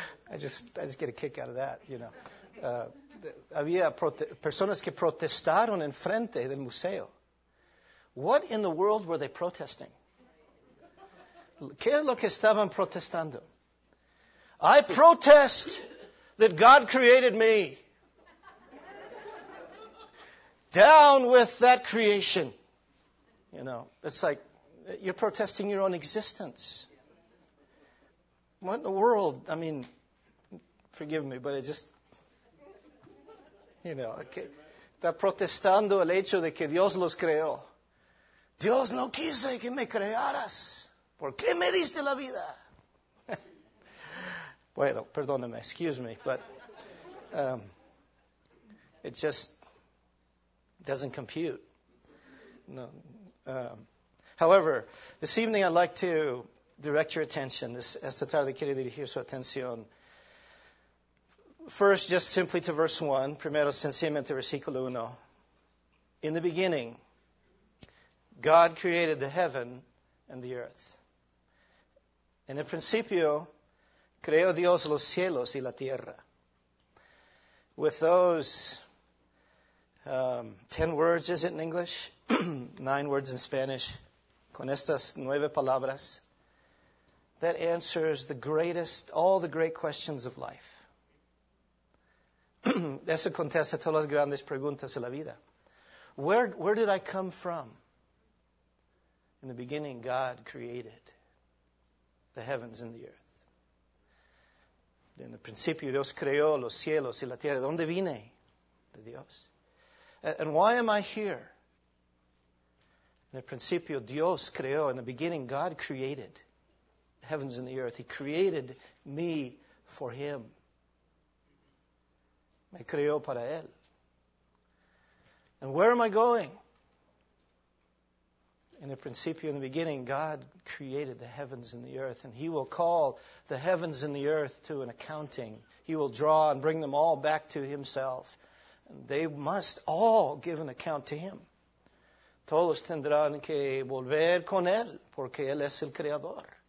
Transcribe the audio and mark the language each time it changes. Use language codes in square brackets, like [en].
[en] I just get a kick out of that, you know. [es] Había personas que protestaron en frente del museo. [en] What in the world were they protesting? [es] ¿Qué es lo que estaban protestando? [en] I protest that God created me. Down with that creation. You know, it's like you're protesting your own existence. What in the world? I mean, forgive me, but it just, you know, okay. [es] Está protestando el hecho de que Dios los creó. Dios no quise que me crearas. ¿Por qué me diste la vida? Bueno, perdóname, [en] excuse me, but it just doesn't compute. No. However, this evening I'd like to direct your attention. [es] Esta tarde quiero dirigir su atención. [en] First, just simply to verse 1, [es] primero sencillamente versículo 1. [en] In the beginning, God created the heaven and the earth. [es] En el principio, creó Dios los cielos y la tierra. [en] With those 10 words, is it in English? 9 words in Spanish. [es] Con estas 9 palabras, [en] that answers all the great questions of life. [es] Eso contesta todas las grandes preguntas de la vida. [en] Where did I come from? In the beginning, God created the heavens and the earth. [es] En el principio, Dios creó los cielos y la tierra. ¿Dónde vine? De Dios. [en] And why am I here? [es] In el principio, Dios creó. [en] In the beginning, God created the heavens and the earth. He created me for him. [es] Me creó para él. [en] And where am I going? In the principio, in the beginning, God created the heavens and the earth, and He will call the heavens and the earth to an accounting. He will draw and bring them all back to Himself. And they must all give an account to Him. [es] Todos tendrán que volver con Él, porque Él es el Creador.